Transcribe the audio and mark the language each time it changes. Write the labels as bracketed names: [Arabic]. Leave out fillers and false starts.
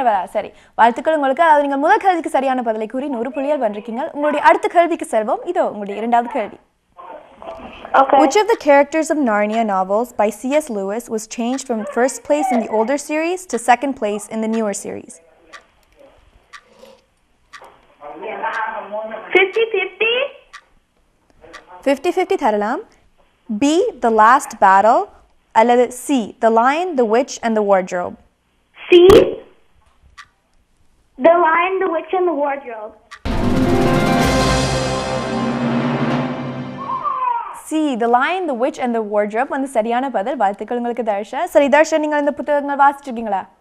[Tamil] சரி, வாழ்த்துக்கள் உங்களுக்கு. அதாவது நீங்கள் முதல் கேள்விக்கு சரியான பதிலை கூறி 100 புள்ளிகள் வென்றிருக்கீங்க. உங்களுடைய அடுத்த கேள்விக்கு செல்வோம். இதோ உங்களுடைய இரண்டாவது கேள்வி. [English] Okay. Which of the characters of Narnia novels by C.S. Lewis was changed from first place in the older series to second place in the newer series? 50-50? [Tamil] 50-50 தரலாம். B, the last battle, அல்லது C, the lion, the witch and the wardrobe? [English] C, the lion, the witch and the wardrobe. [Tamil] C, the lion, the witch and the wardrobe வந்து சரியான பதில். வாழ்த்துக்கள் உங்களுக்கு தர்ஷா. சரி தர்ஷா, நீங்கள் இந்த புத்தகங்கள் வாசிச்சிருக்கீங்களா?